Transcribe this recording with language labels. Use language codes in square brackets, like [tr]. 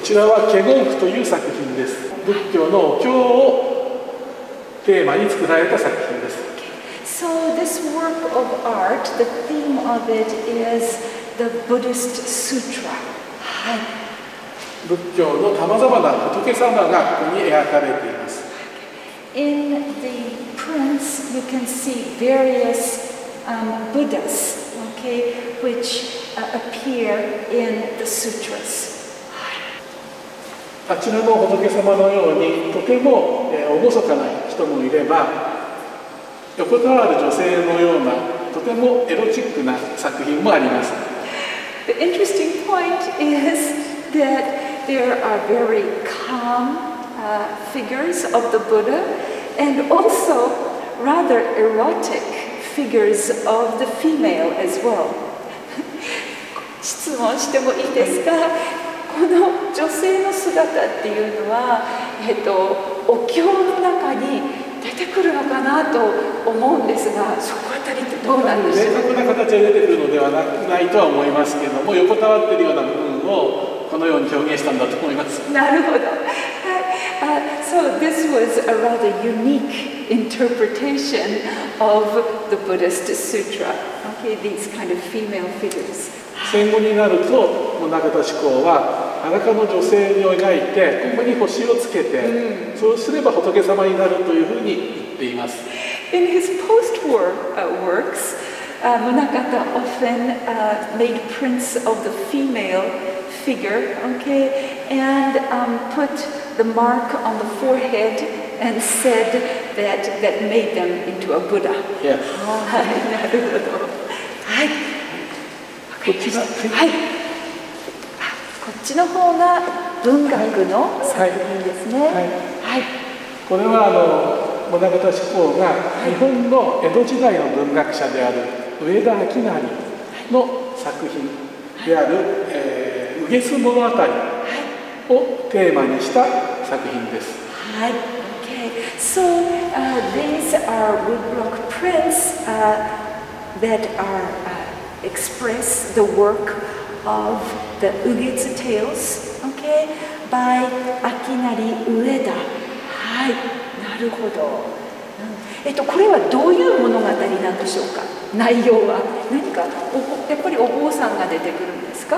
[ja] こちらは華厳譜という作品です。仏教のお経をテーマに作られた作品です。 [en] So this work of art, the theme of it is the Buddhist Sutra. [ja] はい。仏教のさまざまな仏様がここに描かれています。 [en] In the prints you can see various Buddhas, okay, which appear in the sutras. [ja] あちらの仏様のようにとても厳かな人もいれば、横たわる女性のようなとてもエロチックな作品もあります。 [en] The interesting point is thatThere are very calm figures of the Buddha and also rather erotic figures of the female as well. [ja] 質問してもいいですか?この女性の姿っていうのは、お経の中に出てくるのかなと思うんですが、そこあたりってどうなんでしょう? 明確な形で出てくるのではないとは思いますけども、横たわっているような部分をこのように表現したんだと思います。なるほど。 [en] So this was a rather unique interpretation of the Buddhist Sutra. Okay, these kind of female figures. [ja] 戦後になると、宗像志向は裸の女性を描いて、ここに星をつけて、そうすれば仏様になるというふうに言っています。 [en] In his post-war works, Munakata often made prints of the female. Figure, okay, and put the mark on the forehead and said that that made them into a Buddha. Yes. [ja] はい。こっちの方が文学の作品ですね。これは棟方志功が日本の江戸時代の文学者である上田明成の作品である鵜鶉物語をテーマにした作品です。はい、okay. [en] So, these are woodblock prints that are express the work of the Ugetsu Tales, okay, by Akinari Ueda. [ja] はい、なるほど。これはどういう物語なんでしょうか。内容は何か、やっぱりお坊さんが出てくるんですか。